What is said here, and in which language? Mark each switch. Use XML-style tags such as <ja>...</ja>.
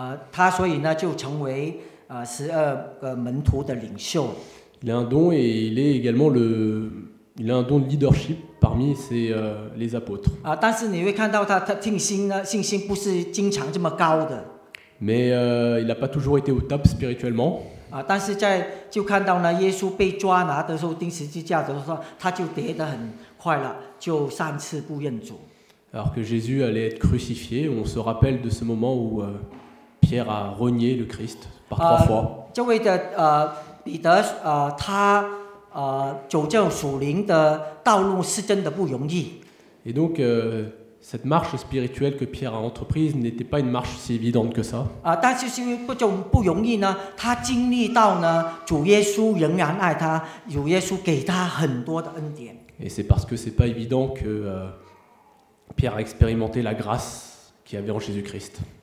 <zh>他所以呢就成为十二个门徒的领袖。</zh> <fr>Il a un don et il est également il a un don de leadership parmi les apôtres.</fr> <zh>但是你会看到他信心不是经常这么高的。</zh> <fr>Mais il n'a pas toujours été au top spirituellement.</fr> <zh>但是就看到呢，耶稣被抓拿的时候，钉十字架的时候，他就跌得很快了，就三次不认主。</zh> <fr>Alors que Jésus allait être crucifié, on se rappelle de ce moment où Pierre a renié le Christ par trois fois.</fr> <zh>这位的彼得他走这属灵的道路是真的不容易。</zh> <fr>Et donc, cette marche spirituelle que Pierre a entreprise n'était pas une marche si évidente que ça.</fr> <zh>但是因为不容易呢，他经历到呢，主耶稣仍然爱他，主耶稣给他很多的恩典。</zh> <fr>Et c'est parce que c'est pas évident que Pierre a expérimenté la grâce qu'il y avait en Jésus-Christ.</fr>